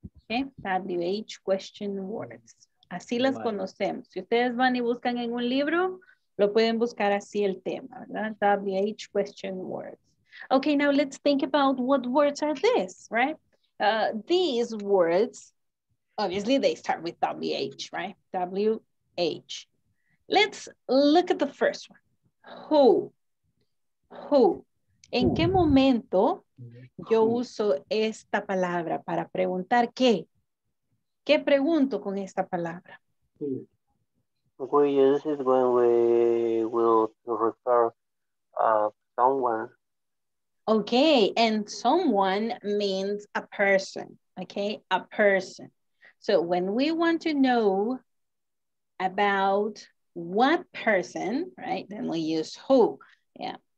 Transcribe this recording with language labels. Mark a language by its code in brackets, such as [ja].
[en] Okay, WH, question words. [es] Así las conocemos. Si ustedes van y buscan en un libro, lo pueden buscar así el tema, ¿verdad? [en] WH, question words. Okay, now let's think about what words are this, right? These words, obviously they start with WH, right? WH. Let's look at the first one. Who? Who? [es] ¿En qué momento yo uso esta palabra para preguntar qué? ¿Qué pregunto con esta palabra? [en] We use it when we will refer to someone. Okay, and someone means a person. Okay, a person. So when we want to know about what person, right, then we use who. Yeah.